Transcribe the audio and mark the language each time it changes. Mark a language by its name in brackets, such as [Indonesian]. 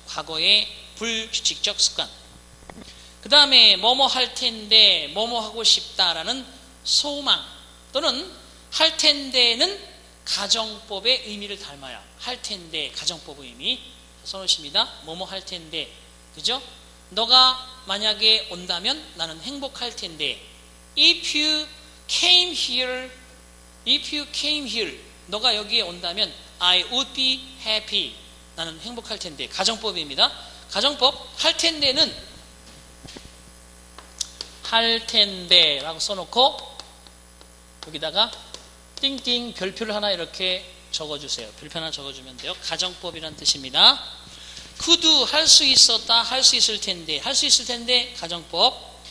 [Korean] 과거의 불규칙적 습관. 그 다음에 뭐뭐 할 텐데 뭐뭐 하고 싶다라는 소망, 또는 할 텐데는 가정법의 의미를 닮아요. 할 텐데 가정법의 의미 써놓으십니다. 뭐뭐 할 텐데, 그죠? 너가 만약에 온다면 나는 행복할 텐데. [English] If you came here, if you came here, [Korean] 너가 여기에 온다면 [English] I would be happy. [Korean] 나는 행복할 텐데. 가정법입니다. 가정법, 할 텐데는 할 텐데라고 써놓고 여기다가 띵띵 별표를 하나 이렇게 적어주세요. 별표 하나 적어주면 돼요. 가정법이란 뜻입니다. could 할 수 있었다, 할 수 있을 텐데, 할 수 있을 텐데 가정법.